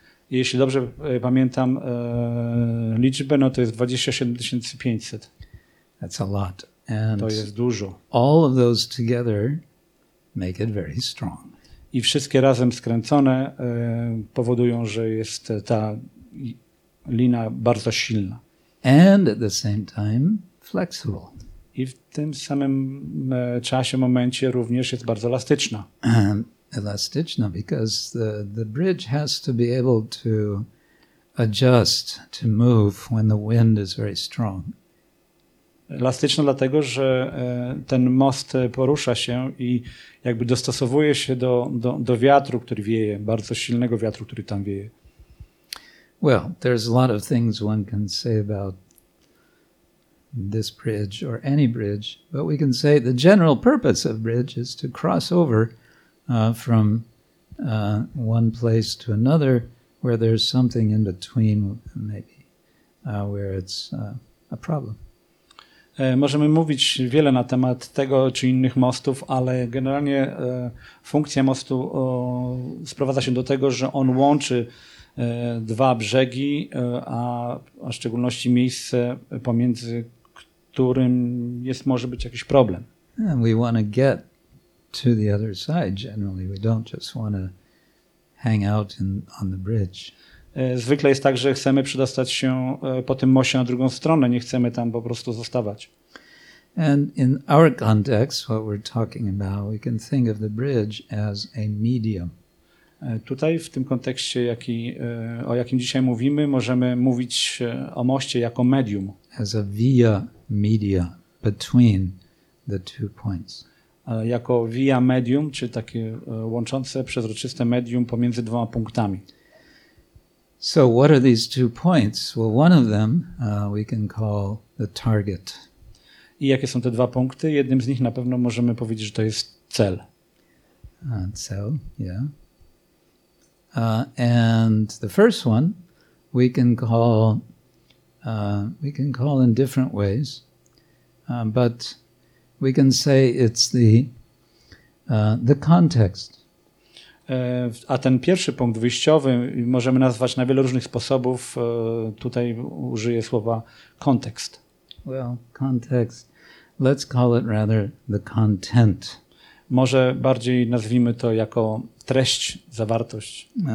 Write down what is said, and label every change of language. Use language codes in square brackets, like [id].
[pl] Jeśli dobrze pamiętam liczbę, no to jest 27,500. [en] That's a lot. And [pl] to jest dużo. [en] All of those together make it very strong. [pl] I wszystkie razem skręcone powodują, że jest ta lina bardzo silna. [en] And at the same time flexible. [pl] I w tym samym czasie, momencie również jest bardzo elastyczna. Elastyczna, [en] because the bridge has to be able to adjust, to move when the wind is very strong. [pl] Elastyczna dlatego, że ten most porusza się i jakby dostosowuje się do wiatru, który wieje, bardzo silnego wiatru, który tam wieje. [en] Well, there's a lot of things one can say about this bridge or any bridge, but we can say the general purpose of bridge is to cross over from one place to another where there's something in between, maybe, where it's a problem. [pl] Możemy mówić wiele na temat tego czy innych mostów, ale generalnie funkcja mostu sprowadza się do tego, że on łączy dwa brzegi, a w szczególności miejsce, pomiędzy którym jest może być jakiś problem. [en] And we want to get to the other side generally. We don't just want to hang out on the bridge. [pl] zwykle jest tak, że chcemy przedostać się po tym moście na drugą stronę, nie chcemy tam po prostu zostawać. [en] And in our context, what we're talking about, we can think of the bridge as a medium. [pl] Tutaj w tym kontekście, o jakim dzisiaj mówimy, możemy mówić o moście jako medium. [en] As a via media between the two points. [pl] Jako via medium, czy takie łączące, przezroczyste medium pomiędzy dwoma punktami. [en] So what are these two points? Well, one of them we can call the target. [pl] I jakie są te dwa punkty? Jednym z nich na pewno możemy powiedzieć, że to jest cel. Cel, yeah. [en] And the first one we can call in different ways, but we can say it's the context. [pl] A ten pierwszy punkt wyjściowy możemy nazwać na wiele różnych sposobów. Tutaj użyję słowa kontekst. [en] Well, context. Let's call it rather the content. [pl] Może bardziej nazwijmy to jako treść, zawartość.